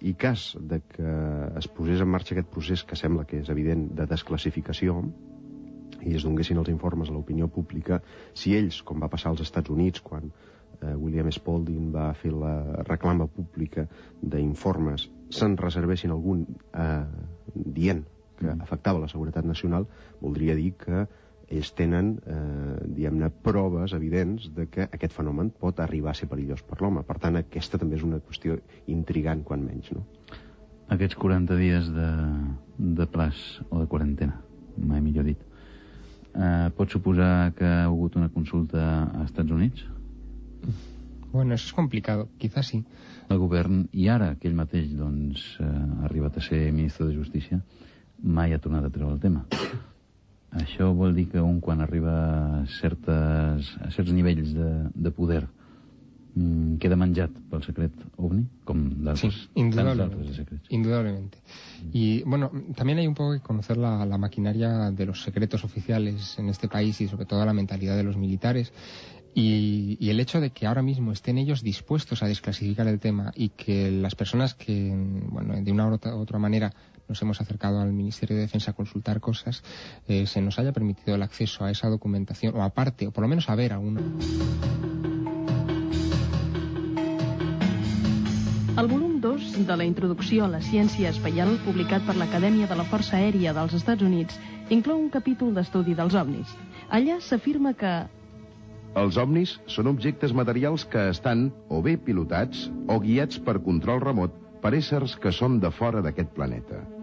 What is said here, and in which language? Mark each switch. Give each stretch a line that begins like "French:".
Catalan: I cas de que es posés en marxa aquest procés, que sembla que és evident, de desclassificació, i es donguessin els informes a l'opinió pública, si ells, com va passar als Estats Units, quan William Spalding va fer la reclama pública d'informes, se'n reservessin algun dient que afectava la seguretat nacional, voldria dir que ells tenen, diguem-ne, proves evidents de que aquest fenomen pot arribar a ser perillós per l'home. Per tant, aquesta també és una qüestió intrigant, quan menys, no? Aquests 40 dies de plaç, o de quarantena, mai millor dit, pot suposar que ha hagut una consulta als Estats Units?
Spanish: Bueno, eso es complicado, quizás sí.
Catalan: El govern, i ara que ell mateix, doncs, ha arribat a ser ministre de Justícia, mai ha tornat a treure el tema. Això vol dir que un, quan arriba a certs nivells de poder, queda menjat pel secret ovni, com d'altres secrets.
Spanish: Sí, indudablement. Y bueno, también hay un poco que conocer la maquinaria de los secretos oficiales en este país y sobre todo la mentalidad de los militares. Y el hecho de que ahora mismo estén ellos dispuestos a desclasificar el tema y que las personas que, bueno, de una u otra manera nos hemos acercado al Ministerio de Defensa a consultar cosas, se nos haya permitido el acceso a esa documentación, o aparte, o por lo menos a ver alguna.
Catalan: El volum 2 de la Introducció a la Ciència Espacial, publicat per l'Acadèmia de la Força Aèria dels Estats Units, inclou un capítol d'estudi dels ovnis. Allà s'afirma que els ovnis són objectes materials que estan o bé pilotats o guiats per control remot per éssers que són de fora d'aquest planeta.